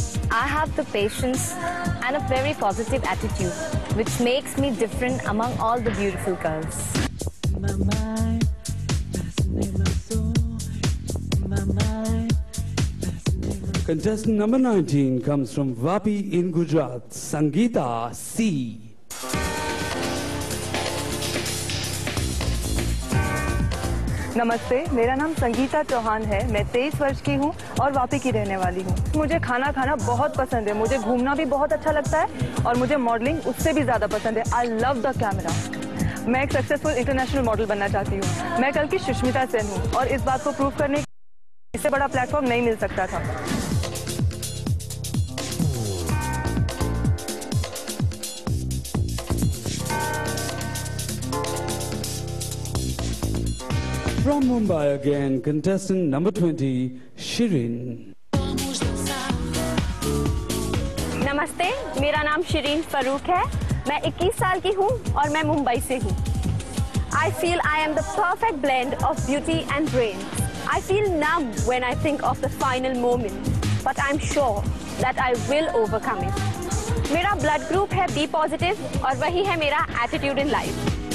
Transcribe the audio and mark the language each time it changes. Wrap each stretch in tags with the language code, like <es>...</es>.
<en>I have the patience and a very positive attitude, which makes me different among all the beautiful girls. Contestant number 19 comes from Vapi in Gujarat, Sangeeta C.</en> <hi>नमस्ते मेरा नाम संगीता चौहान है मैं 23 वर्ष की हूँ और वापी की रहने वाली हूँ मुझे खाना खाना बहुत पसंद है मुझे घूमना भी बहुत अच्छा लगता है और मुझे मॉडलिंग उससे भी ज़्यादा पसंद है</hi> <en>I love the camera</en> <hi>मैं एक सक्सेसफुल इंटरनेशनल मॉडल बनना चाहती हूँ मैं कल की सुष्मिता सेन हूँ और इस बात को प्रूव करने इससे बड़ा प्लेटफॉर्म नहीं मिल सकता था</hi> <en>From Mumbai again, contestant number 20, Shirin.</en> <hi>नमस्ते, मेरा नाम शिरीन फ़ारूक़ है. मैं 21 साल की हूँ और मैं मुंबई से हूँ.</hi> <en>I feel I am the perfect blend of beauty and brain. I feel numb when I think of the final moment, but I'm sure that I will overcome it.</en> <hi>मेरा blood group है B positive और वही है मेरा</hi> <en>attitude in life.</en>